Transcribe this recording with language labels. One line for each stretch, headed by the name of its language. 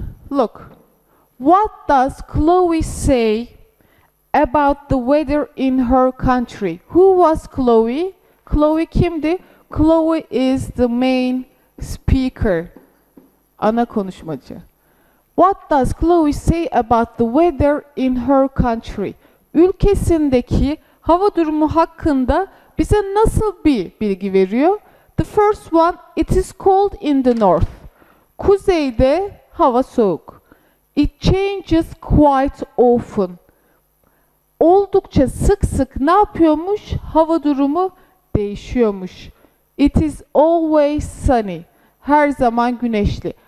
English: Look. What does Chloe say about the weather in her country? Who was Chloe?
Turkish: Chloe kimdi?
English: Chloe is the main speaker.
Turkish: Ana konuşmacı.
English: What does Chloe say about the weather in her country?
Turkish: Ülkesindeki hava durumu hakkında bize nasıl bir bilgi veriyor?
English: The first one, it is cold in the north.
Turkish: Kuzeyde hava soğuk.
English: It changes quite often.
Turkish: Oldukça sık sık ne yapıyormuş? Hava durumu değişiyormuş.
English: It is always sunny.
Turkish: Her zaman güneşli.